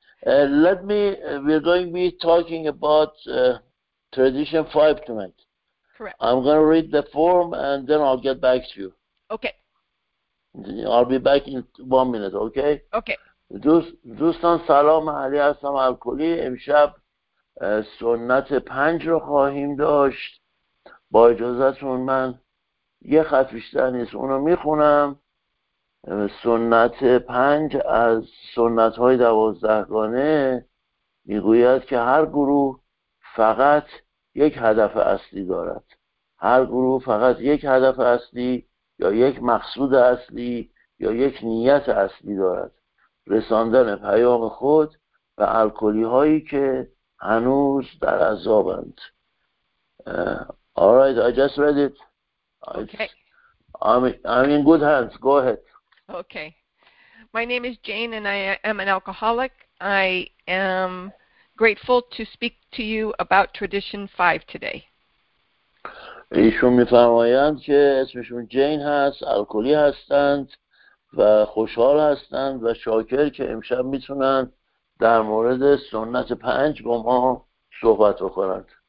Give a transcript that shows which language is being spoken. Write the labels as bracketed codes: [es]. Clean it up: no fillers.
[en] We're going to be talking about Tradition 5 tonight. Correct. I'm going to read the form and then I'll get back to you. Okay. I'll be back in 1 minute, okay? Okay. [fa] دوستان سلام، علی هستم الکلی. امشب سنت 5 رو خواهیم داشت. با اجازتون من یه خط بیشتر نیست، اونو میخونم. سنت 5 از سنت‌های 12 گانه میگوید که هر گروه فقط یک هدف اصلی دارد. هر گروه فقط یک هدف اصلی یا یک مقصود اصلی یا یک نیت اصلی دارد، رساندن پیام خود به الکلی هایی که هنوز در عذابند. [en] Alright, I just read it. Okay. I'm in good hands. Go ahead. Okay. My name is Jane and I am an alcoholic. I am grateful to speak to you about Tradition 5 today. [fa] ایشون میفرمایند که اسمشون جین هست، الکلی هستند و خوشحال هستند و شاکر که امشب میتونند در مورد سنت 5 با ما صحبت بکنند.